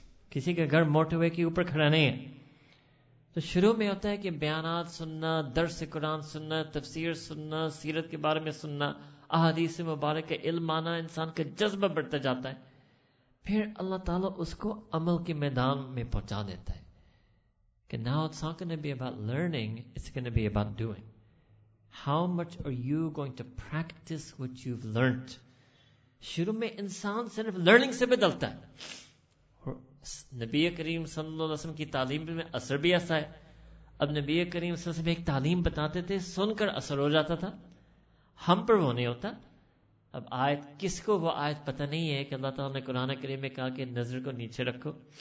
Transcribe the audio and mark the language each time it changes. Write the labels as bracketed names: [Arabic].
[Urdu] کسی کا گھر موٹر وے کے اوپر کھڑا نہیں ہے تو شروع میں ہوتا ہے کہ بیانات سننا درس قرآن سننا تفسیر سننا سیرت کے بارے میں سننا احادیث مبارک کا علم آنا انسان کا جذبہ بڑھتا جاتا ہے پھر اللہ تعالیٰ اس کو عمل کے میدان میں پہنچا دیتا ہے کہ [English] now it's not going to be about learning, it's going to be about doing. How much are you going to practice what you've learned? [Urdu] شروع میں انسان صرف لرننگ سے بدلتا ہے اور نبی کریم صلی اللہ علیہ وسلم کی تعلیم میں اثر بھی ایسا ہے اب نبی کریم صلی اللہ علیہ وسلم ایک تعلیم بتاتے تھے سن کر اثر ہو جاتا تھا ہم پر وہ نہیں ہوتا اب آیت کس کو وہ آیت پتہ نہیں ہے کہ اللہ تعالیٰ نے قرآن کریم میں کہا کہ نظر کو نیچے رکھو